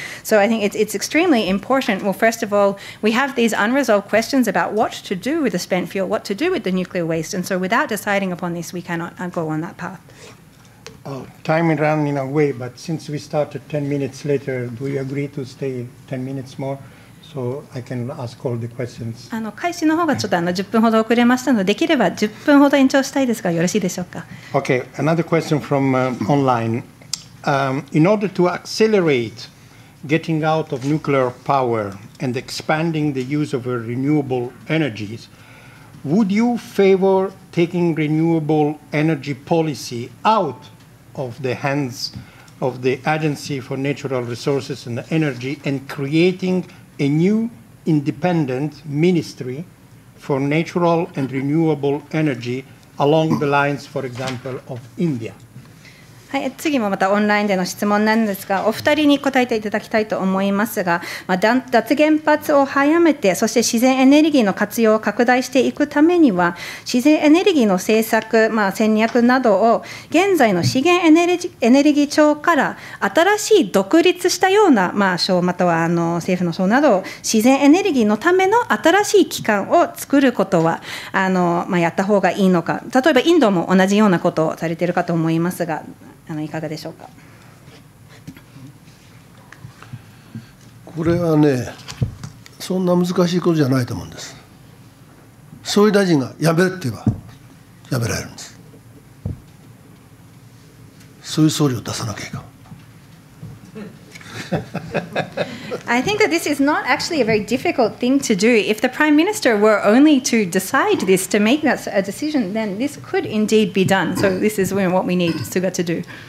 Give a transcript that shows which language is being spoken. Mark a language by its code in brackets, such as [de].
[en] So I think it's extremely important. Well, first of all, we have these unresolved questions about what to do with the spent fuel, what to do with the nuclear waste. And so without deciding upon this, we cannot go on that path. Oh, time is running away, but since we started 10 minutes later, do you agree to stay 10 minutes more? So I can ask all the questions. [ja] 開始の方がちょっと10分ほど遅れましたので、できれば10分ほど延長したいですが、よろしいでしょうか? [en] Okay, another question from online. In order to accelerate getting out of nuclear power and expanding the use of renewable energies, would you favor taking renewable energy policy out of the hands of the Agency for Natural Resources and Energy and creating a new independent ministry for natural and renewable energy along the lines, for example, of India? [ja] はい、次もまたオンラインでの質問なんですが、お二人に答えていただきたいと思いますが、まあ、脱原発を早めて、そして自然エネルギーの活用を拡大していくためには、自然エネルギーの政策、まあ、戦略などを現在の資源エネルギー庁から新しい独立したような、まあ、省、または政府の省など、自然エネルギーのための新しい機関を作ることは、まあ、やった方がいいのか、例えばインドも同じようなことをされているかと思いますが、いかがでしょうか。これはね、そんな難しいことじゃないと思うんです。総理大臣が辞めるって言えば辞められるんです。そういう総理を出さなきゃいかん。 [en] I think that this is not actually a very difficult thing to do. If the Prime Minister were only to decide this, to make that a decision, then this could indeed be done. So this is what we need Suga to do.